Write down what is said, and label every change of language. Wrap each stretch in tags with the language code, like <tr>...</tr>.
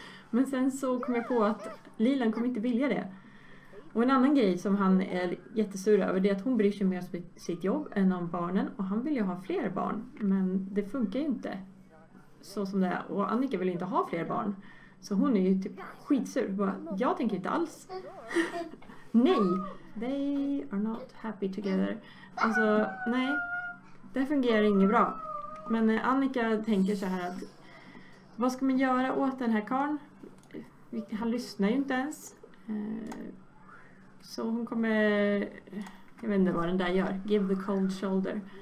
<sv>Men sen så kom jag på att Lilan kommer inte vilja det. Och en annan grej som han är jättesur över det är att hon bryr sig mer om sitt jobb än om barnen. Och han vill ju ha fler barn. Men det funkar ju inte. Så som det är. Och Annika vill inte ha fler barn. Så hon är ju typ skitsur. Jag tänker inte alls. Nej!</sv> <en>They are not happy together.</en> <sv>Alltså, nej. Det fungerar inte bra. Men Annika tänker så här att vad ska man göra åt den här karln? Han lyssnar ju inte ens. Så hon kommer, jag vet inte vad den där gör,</sv> <en>give the cold shoulder.</en>